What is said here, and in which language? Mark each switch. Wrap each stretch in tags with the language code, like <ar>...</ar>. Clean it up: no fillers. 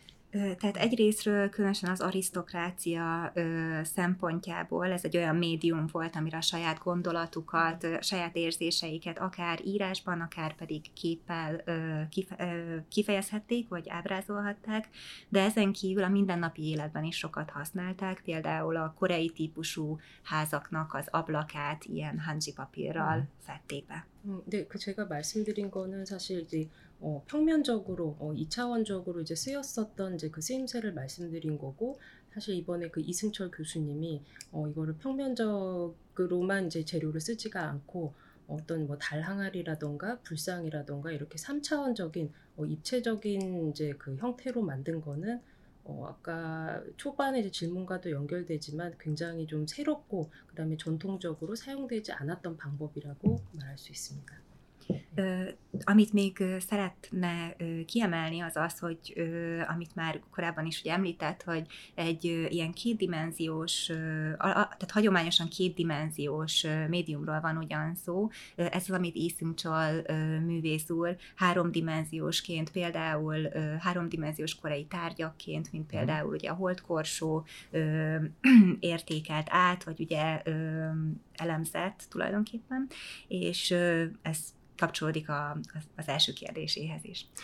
<ko>그래서</ko> <hu>egyrésztről különösen az arisztokrácia szempontjából ez egy olyan médium volt, amire a saját gondolatukat, saját érzéseiket akár írásban, akár pedig képpel kifejezhették, vagy ábrázolhatták, de ezen kívül a mindennapi életben is sokat használták, például a koreai típusú házaknak az ablakát ilyen hanji papírral fették be. De</hu> <ko>그 제가 말씀드린 거는 사실 이제 평면적으로 2차원적으로 이제 쓰였었던 이제 그 쓰임새를 말씀드린 거고 사실 이번에 그 이승철 교수님이 이거를 평면적으로만 이제 재료를 쓰지가 않고 어떤 뭐 달항아리라든가 불상이라든가 이렇게 3차원적인 입체적인 이제 그 형태로 만든 거는 아까 초반에 이제 질문과도 연결되지만 굉장히 좀 새롭고 그다음에 전통적으로 사용되지 않았던 방법이라고 말할 수 있습니다.</ko> <hu>Amit még szeretne kiemelni, az az, hogy amit már korábban is ugye említett, hogy egy ilyen kétdimenziós, tehát hagyományosan kétdimenziós médiumról van ugyan szó. Ez az, amit Iszünk-Csal művész úr háromdimenziósként, például háromdimenziós korai tárgyakként, mint például ugye a holdkorsó értékelt át, vagy ugye elemzett tulajdonképpen, és ez kapcsolódik az első kérdéséhez is.</hu>